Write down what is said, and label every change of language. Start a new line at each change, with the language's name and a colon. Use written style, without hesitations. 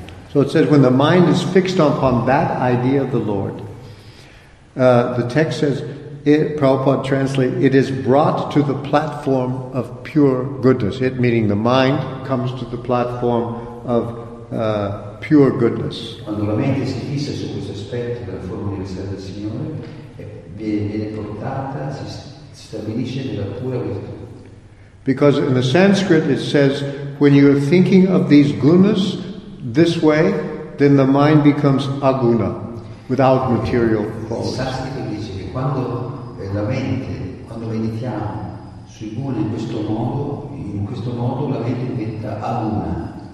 English: So it says, when the mind is fixed upon that idea of the Lord, the text says, Prabhupada translates, it is brought to the platform of pure goodness. It, meaning the mind, comes to the platform of pure goodness.
Italian: Quando la mente si fissa su questo aspetto della forma universale del Signore, viene portata, si stabilisce nella pura virtù.
English: Because in the Sanskrit it says, when you are thinking of these gunas this way, then the mind becomes aguna, without material qualities.
Italian: Il Sanskrit dice che quando la mente, quando meditiamo sui guna in questo modo la mente diventa aguna.